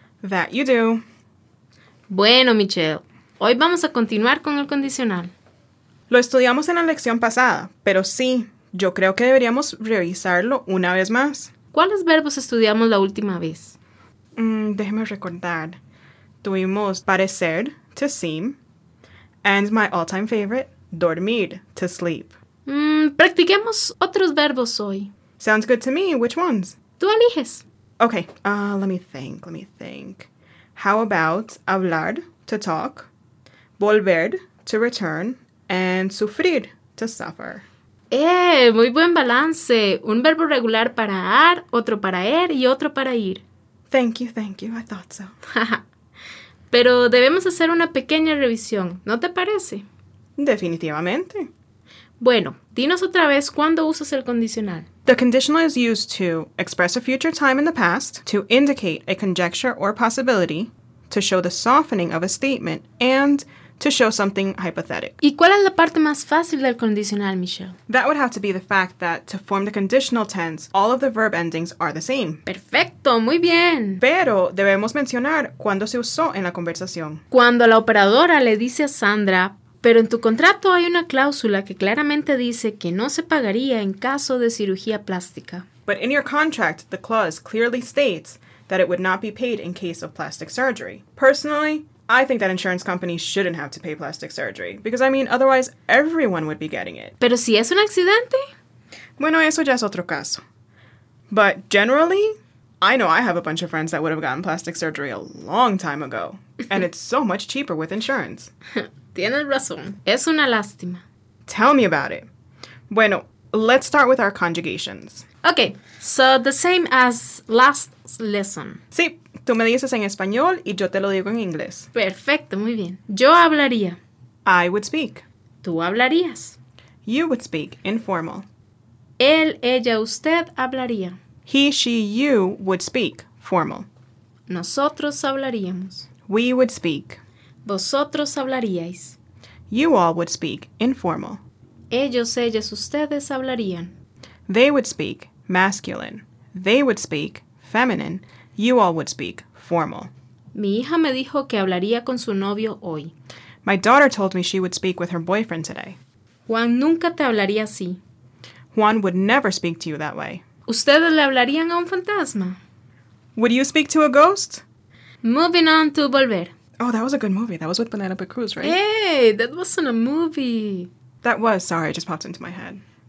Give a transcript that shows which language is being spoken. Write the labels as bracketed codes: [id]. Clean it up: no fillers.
[en] That you do. [es] Bueno, Michelle. Hoy vamos a continuar con el condicional. Lo estudiamos en la lección pasada, pero sí, yo creo que deberíamos revisarlo una vez más. ¿Cuáles verbos estudiamos la última vez? Déjeme recordar. Tuvimos [en] parecer, to seem, and my all-time favorite, dormir, to sleep. [es] Practiquemos otros verbos hoy. [en] Sounds good to me. Which ones? [es] Tú eliges. [en] Okay, let me think. How about hablar, to talk? Volver, to return, and sufrir, to suffer. [es] Muy buen balance. Un verbo regular para ar, otro para er y otro para ir. [en] Thank you, I thought so. [es] Pero debemos hacer una pequeña revisión, ¿no te parece? Definitivamente. Bueno, dinos otra vez cuándo usas el condicional. [en] The conditional is used to express a future time in the past, to indicate a conjecture or possibility, to show the softening of a statement, and to show something hypothetic. [es] ¿Y cuál es la parte más fácil del condicional, Michelle? [en] That would have to be the fact that to form the conditional tense, all of the verb endings are the same. [es] ¡Perfecto! ¡Muy bien! Pero debemos mencionar cuándo se usó en la conversación. Cuando la operadora le dice a Sandra, pero en tu contrato hay una cláusula que claramente dice que no se pagaría en caso de cirugía plástica. [en] But in your contract, the clause clearly states that it would not be paid in case of plastic surgery. Personally, I think that insurance companies shouldn't have to pay plastic surgery, because I mean, otherwise everyone would be getting it. [es] ¿Pero si es un accidente? Bueno, eso ya es otro caso. [en] But generally, I know I have a bunch of friends that would have gotten plastic surgery a long time ago, and it's so much cheaper with insurance. [es] Tienes razón. Es una lástima. [en] Tell me about it. Bueno, let's start with our conjugations. Okay, so the same as last lesson. [es] Sí, tú me dices en español y yo te lo digo en inglés. Perfecto, muy bien. Yo hablaría. [en] I would speak. [es] Tú hablarías. [en] You would speak, informal. [es] Él, ella, usted hablaría. [en] He, she, you would speak, formal. [es] Nosotros hablaríamos. [en] We would speak. [es] Vosotros hablaríais. [en] You all would speak, informal. [es] Ellos, ellas, ustedes hablarían. [en] They would speak, masculine. They would speak, feminine. You all would speak, formal. [es] Mi hija me dijo que hablaría con su novio hoy. [en] My daughter told me she would speak with her boyfriend today. [es] Juan nunca te hablaría así. [en] Juan would never speak to you that way. [es] ¿Ustedes le hablarían a un fantasma? [en] Would you speak to a ghost? Moving on to Volver. Oh, that was a good movie. That was with Penelope Cruz, right? Hey, that wasn't a movie. That was. Sorry, it just popped into my head.